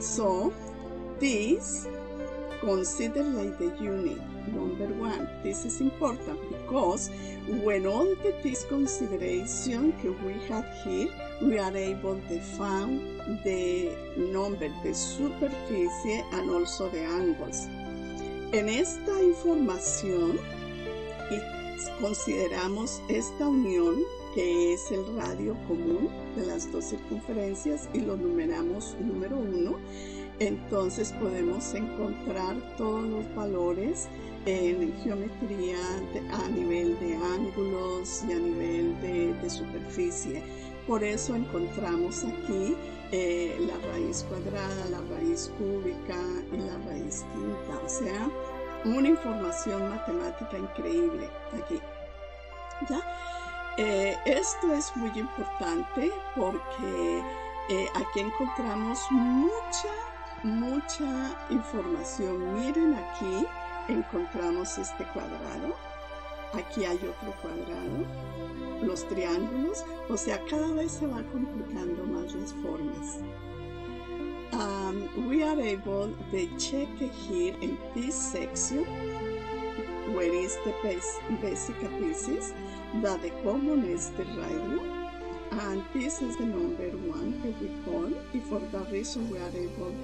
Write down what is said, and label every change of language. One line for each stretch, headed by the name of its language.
English: So, this consider like the unit, number one. This is important because when all the this consideration that we had here, we are able to find the number, the superficie, and also the angles.
Spanish: En esta información, y consideramos esta unión, que es el radio común de las dos circunferencias, y lo numeramos número uno, entonces podemos encontrar todos los valores en geometría a nivel de ángulos y a nivel de superficie. Por eso encontramos aquí la raíz cuadrada, la raíz cúbica y la raíz quinta. O sea, una información matemática increíble aquí. ¿Ya? Esto es muy importante porque aquí encontramos mucha información. Miren, aquí encontramos este cuadrado, aquí hay otro cuadrado, los triángulos, o sea, cada vez se va complicando más las formas.
English: We are able to check here in this section where is the Vesica Pisces, that the common is the radio. And this is the number one that we call, and for that reason we are able to find all the information for angles, for